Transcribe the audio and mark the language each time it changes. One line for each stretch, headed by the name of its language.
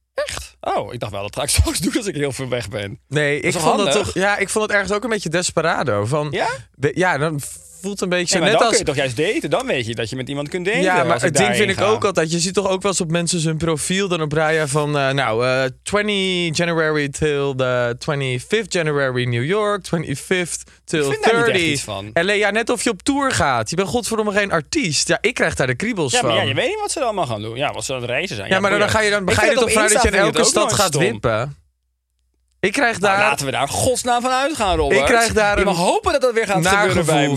Dutch: Echt? Oh, ik dacht wel dat ga ik straks doen als ik heel veel weg ben. Nee, ik vond dat toch. Ja, ik vond het ergens ook een beetje desperado. Van, ja? Ja, dan voelt een beetje net als... Dan kun je toch juist daten. Dan weet je dat je met iemand kunt daten. Ja, maar het ding vind ik ook altijd. Je ziet toch ook wel eens op mensen zijn profiel dan op Raya van...
English: 20 January till the 25th January New York. 25th till 30th.
Dutch: LA, ja, net of je op tour gaat. Je bent godverdomme geen artiest. Ja, ik krijg daar de kriebels van. Ja, maar ja, je weet niet wat ze dan allemaal gaan doen. Ja, wat ze aan het reizen zijn. Ja, maar dan ga je dan begrijpen toch vrij dat je in elke stad gaat wimpen. Ik krijg daar... Nou, laten we daar godsnaam van uitgaan, Robert. Ik krijg daar je mag hopen dat dat weer gaat gebeuren bij me.